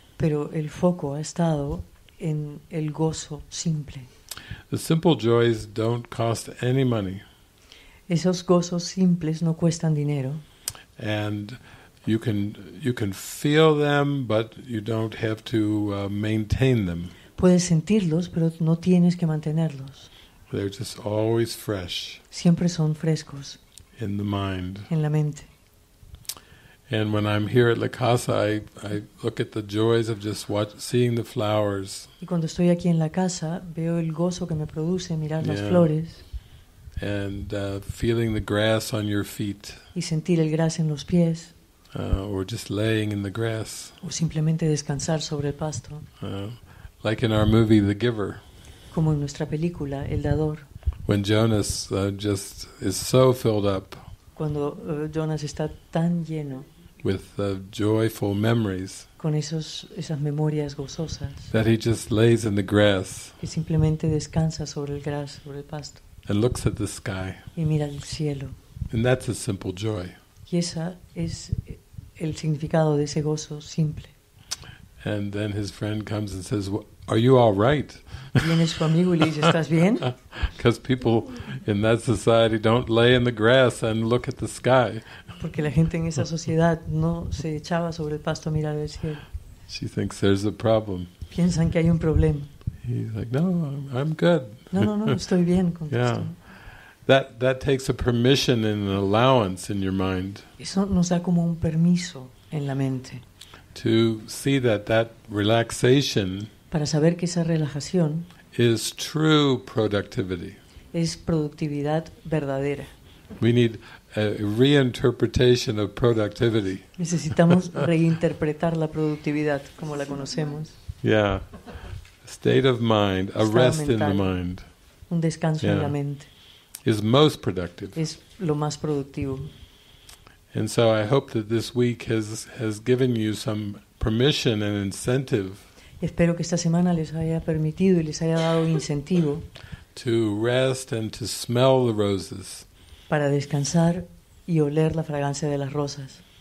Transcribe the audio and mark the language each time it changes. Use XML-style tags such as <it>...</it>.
<es>Pero el foco ha estado en el gozo simple.</es> <en>The simple joys don't cost any money.</en> <es>Esos gozos simples no cuestan dinero.</es> <en>And you can feel them, but you don't have to maintain them.</en> <es>Puedes sentirlos, pero no tienes que mantenerlos.</es> <en>They're just always fresh.</en> <es>Siempre son frescos.</es> <en>In the mind.</en> <es>En la mente.</es> <en>And when I'm here at La Casa, I look at the joys of just seeing the flowers.</en> <es>Y cuando estoy aquí en la casa, veo el gozo que me produce mirar las flores.</es> <en>And feeling the grass on your feet.</en> <es>Y sentir el gras en los pies.</es> <en>Or just laying in the grass.</en> <es>O simplemente descansar sobre el pasto.</es> <en>Like in our movie The Giver.</en> <es>Como en nuestra película El Dador.</es> <en>When Jonas just is so filled up.</en> <es>Cuando Jonas está tan lleno.</es> <en>With joyful memories.</en> <es>Con esas memorias gozosas.</es> <en>That he just lays in the grass.</en> <es>Que simplemente descansa sobre el gras, sobre el pasto.</es> <en>And looks at the sky.</en> <es>Y mira el cielo.</es> <en>And that's a simple joy.</en> <es>Y esa es el significado de ese gozo simple.</es> <en>And then his friend comes and says, well, are you all right?</en> <es>Viene su amigo y le dice, ¿estás bien?</es> <en>Because people in that society don't lay in the grass and look at the sky.</en> <es>Porque la gente en esa sociedad no se echaba sobre el pasto a mirar el cielo.</es> <en>She thinks there's a problem.</en> <es>Piensan que hay un problema.</es> <en>He's like, no, I'm good.</en> <es>No, estoy bien. Yeah.</es> <en>That takes a permission and an allowance in your mind.</en> <es>Eso nos da como un permiso en la mente.</es> <en>To see that relaxation,</en> <es>para saber que esa relajación,</es> <en>is true productivity.</en> <es>Es productividad verdadera.</es> <en>We need a reinterpretation of productivity.</en> <es>Necesitamos reinterpretar la productividad como la conocemos. Yeah.</es> <en>State of mind, a rest in the mind.</en> <es>Un descanso en la mente.</es> <en>Is most productive.</en> <es>Es lo más productivo.</es> <en>And so I hope that this week has given you some permission and incentive.</en> <es>Espero que esta semana les haya permitido y les haya dado incentivo.</es> <en>To rest and to smell the roses.</en> <es>Para descansar y oler la fragancia de las rosas.</es>